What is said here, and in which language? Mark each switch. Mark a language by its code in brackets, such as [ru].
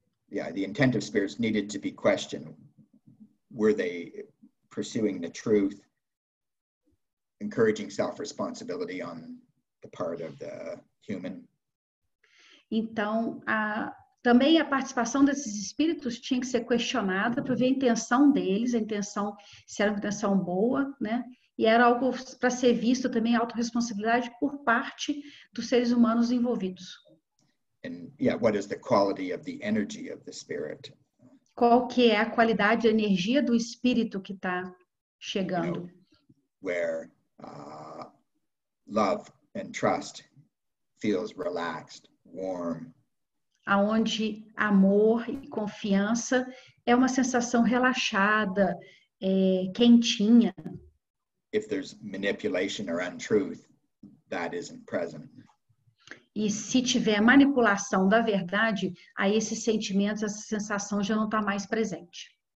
[en] Yeah, the intent of spirits needed to be questioned. Were they pursuing the truth, encouraging self-responsibility on the part of the human? [pt] Então, também a participação desses espíritos tinha que ser questionada para ver a intenção deles, a intenção, se era uma intenção boa, né? E era algo para ser visto também, a autorresponsabilidade por parte dos seres humanos envolvidos. [en] And yeah, what is the quality of the energy of the spirit? [pt] Qual que é a qualidade, a energia do espírito que está chegando? [en] You know, where love and trust feels relaxed, warm. [pt] Aonde amor e confiança é uma sensação relaxada, quentinha. [en] If there's manipulation or untruth, that isn't present. [pt] E se tiver manipulação da verdade, aí esses sentimentos, essa sensação já não está mais presente.